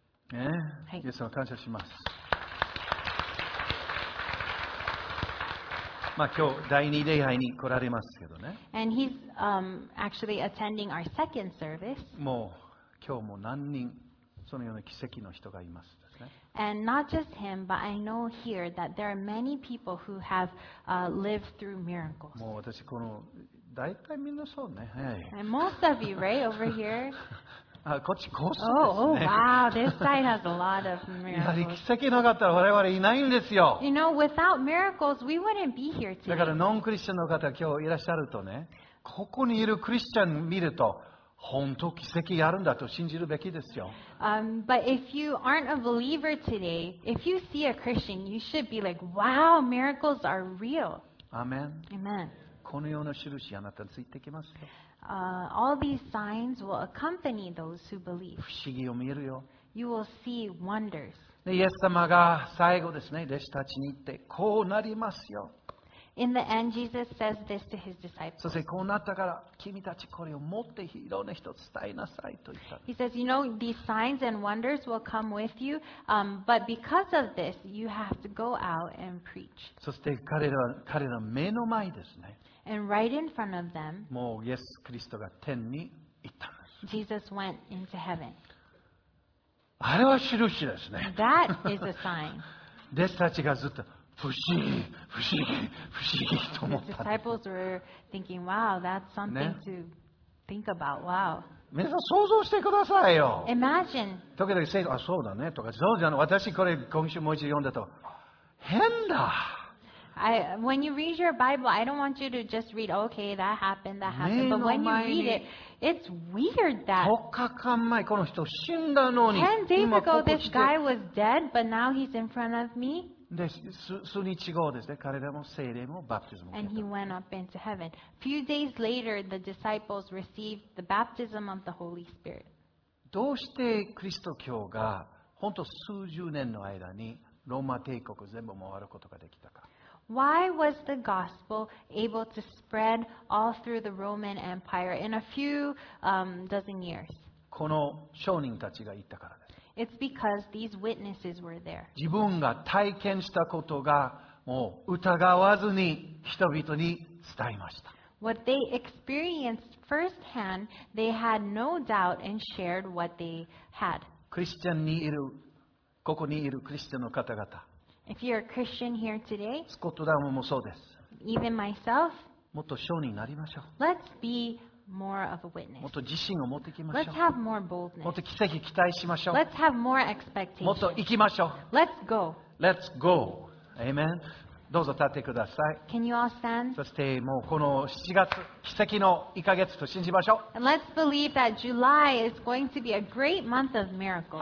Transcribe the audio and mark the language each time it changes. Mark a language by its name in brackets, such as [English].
[Japanese] ね、はい、イエス様感謝します。まあ、今日第2礼拝に来られますけどね。 [English] And he's actually attending our second service. [Japanese] もう今日も何人そのような奇跡の人がいますですね。 [English] And not just him, but I know here that there are many people who have lived through miracles. [Japanese] もう私この大体みんなそうね。はい。 [English] And most of you, right over here. [Japanese] あ、こっちコースですね。 [English] Oh, wow, this side has a lot of miracles. [Japanese] やはり奇跡なかったら我々いないんですよ。 [English] You know, without miracles, we wouldn't be here today. [Japanese] だからノンクリスチャンの方が今日いらっしゃるとね、ここにいるクリスチャン見ると、本当奇跡やるんだと信じるべきですよ。 [English] But if you aren't a believer today, if you see a Christian, you should be like, wow, miracles are real. Amen. Amen. [Japanese] このような印あなたについてきますよ。 [English] All these signs will accompany those who believe. [Japanese] 不思議を見るよ。 [English] You will see wonders. [Japanese] で、イエス様が最後ですね、弟子たちに言ってこうなりますよ。 [English] In the end, Jesus says this to his disciples. [Japanese] そしてこうなったから君たちこれを持っていろんな人伝えなさいと言った。 [English] He says, you know, these signs and wonders will come with you, but because of this, you have to go out and preach. [Japanese] そして彼らの目の前ですね。 [English] And right in front of them, [Japanese] もうイエス・キリストが天に行ったんです。 [English] Jesus went into heaven. [Japanese] あれは印ですね。 [English] That is a sign. [Japanese] 弟子たちがずっと不思議、不思議、不思議と思った。 [English] The disciples were thinking, wow, that's something to think about. Wow. [Japanese] 皆さん想像してくださいよ。 [English] Imagine. [Japanese] 時々聖書、あ、そうだねとか、そうじゃない。私これ今週もう一度読んだと、変だ。 [English] When you read your Bible, I don't want you to just read, okay, that happened, that happened. But when you read it, it's weird that [Japanese] 4日間前この人死んだのに、 [English] 10 days ago, this guy was dead, but now he's in front of me. [Japanese] で、数日後ですね、彼らも聖霊もバプティズムを受けた。 [English] And he went up into heaven. Few days later, the disciples received the baptism of the Holy Spirit. [Japanese] どうしてキリスト教が本当数十年の間にローマ帝国全部回ることができたか。 [English] Why was the gospel able to spread all through the Roman Empire in a few dozen years? [Japanese] この証人たちが言ったからです。 [English] It's because these witnesses were there. [Japanese] 自分が体験したことがもう疑わずに人々に伝えました。 [English] What they experienced firsthand, they had no doubt and shared what they had. [Japanese] クリスチャンにいる、ここにいるクリスチャンの方々。 [English] If you're a Christian here today, [Japanese] スコットダムもそうです。 [English] Even myself, [Japanese] もっと証人になりましょう。 [English] Let's be more of a witness. [Japanese] もっと自信を持っていきましょう。 [English] Let's have more boldness. [Japanese] もっと奇跡期待しましょう。 [English] Let's have more expectation. [Japanese] もっと行きましょう。 [English] Let's go. Let's go. Amen. [Japanese] どうぞ立ってください。 [English] Can you all stand? [Japanese] そしてもうこの7月、奇跡の1ヶ月と信じましょう。 [English] And let's believe that July is going to be a great month of miracles.